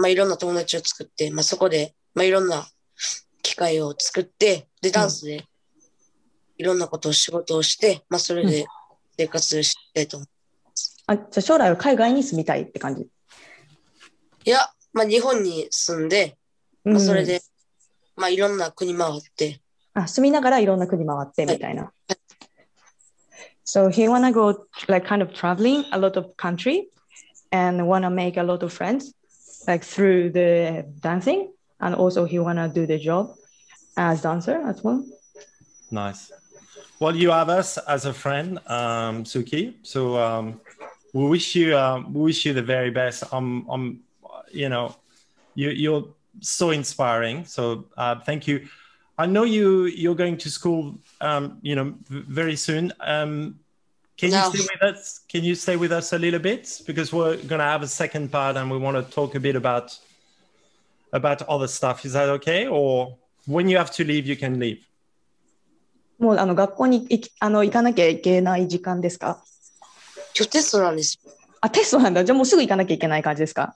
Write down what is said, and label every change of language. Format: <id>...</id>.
<ja>まあいろんな友達を作って、まあそこでまあいろんな機会を作って、でダンスでいろんなことを仕事をして、うん、まあそれで生活をしたいと思います。うん、あ、じゃあ将来は海外に住みたいって感じ。いや。まあ、日本に住んで、まあ、それで、うん、まあ、いろんな国回って。あ、住みながらいろんな国回ってみたいな。</ja> <en>はい、so he wanna go like kind of traveling a lot of country and wanna make a lot of friends like through the dancing and also he wanna do the job as dancer as well. Nice. Well, you have us as a friend, Suki. So we wish you the very best. I'm You know, you're so inspiring. So thank you. I know you're going to school, you know, very soon. Can you stay with us? Can you stay with us a little bit? Because we're going to have a second part and we want to talk a bit about other stuff. Is that okay? Or when you have to leave, you can leave.</en> <ja>もうあの学校に行き、あの行かなきゃいけない時間ですか？テストなんです。あ、テストなんだ。じゃあもうすぐ行かなきゃいけない感じですか？</ja>